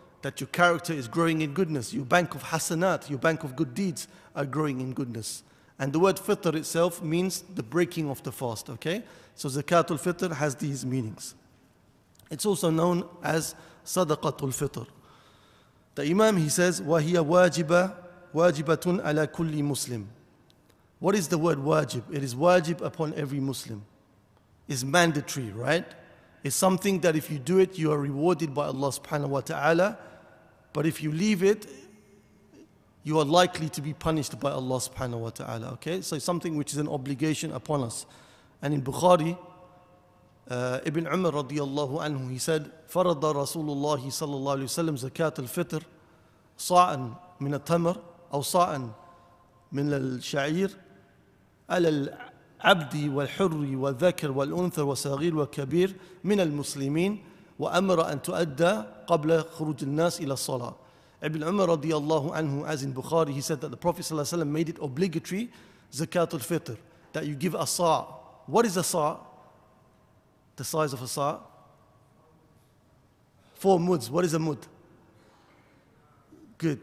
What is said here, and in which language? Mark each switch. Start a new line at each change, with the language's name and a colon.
English: That your character is growing in goodness. Your bank of hasanat, your bank of good deeds are growing in goodness. And the word fitr itself means the breaking of the fast, okay? So zakatul fitr has these meanings. It's also known as sadaqatul fitr. The Imam, he says,
Arabic: وَهِيَ وَاجِبَةٌ عَلَى كُلِّ مُسْلِمٍ.
English: What is the word wajib? It is wajib upon every Muslim. Is mandatory, right? It's something that if you do it, you are rewarded by Allah subhanahu wa ta'ala. But if you leave it, you are likely to be punished by Allah subhanahu wa ta'ala. Okay, so it's something which is an obligation upon us. And in Bukhari, Ibn Umar radiyallahu anhu, he said,
Arabic: فَرَضَ رَسُولُ اللَّهِ صَلَّى اللَّهُ عَلَيْهِ وَسَلَّمُ زَكَاةُ الْفِطْرِ صَاعًا مِنَ التَّمَرْ أَوْ صَاعًا مِنَ الشَّعِيرِ عَلَى عبدي والحر والذكر والأنثى والصغير والكبير من المسلمين وأمر أن تؤدى قبل خروج الناس إلى الصلاة.
English: Ibn Umar radiallahu anhu, as in Bukhari, he said that the Prophet sallallahu alaihi wasallam made it obligatory, zakat al-fitr, that you give a sa'. What is a sa'? The size of a sa'. Four muds. What is a mud? Good.